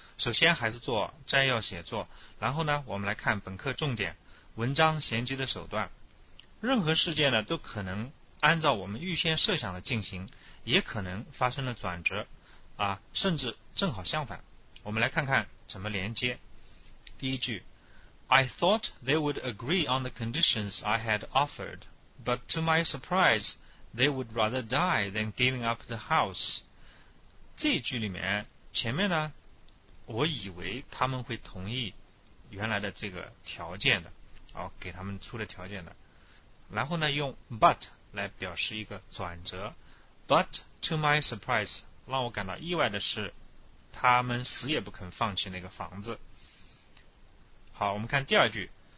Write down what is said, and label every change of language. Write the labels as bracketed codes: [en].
[zh] 首先还是做摘要写作，然后呢，我们来看本课重点，文章衔接的手段。任何事件呢，都可能按照我们预先设想的进行，也可能发生了转折，甚至正好相反。我们来看看怎么连接。第一句， [en] I thought they would agree on the conditions I had offered, but to my surprise,They would rather die than giving up the house. [zh] 这一句里面，前面呢，我以为他们会同意原来的这个条件的，给他们出的条件的。然后呢，用 but 来表示一个转折。 [en] But to my surprise, [zh] 让我感到意外的是，他们死也不肯放弃那个房子。好，我们看第二句。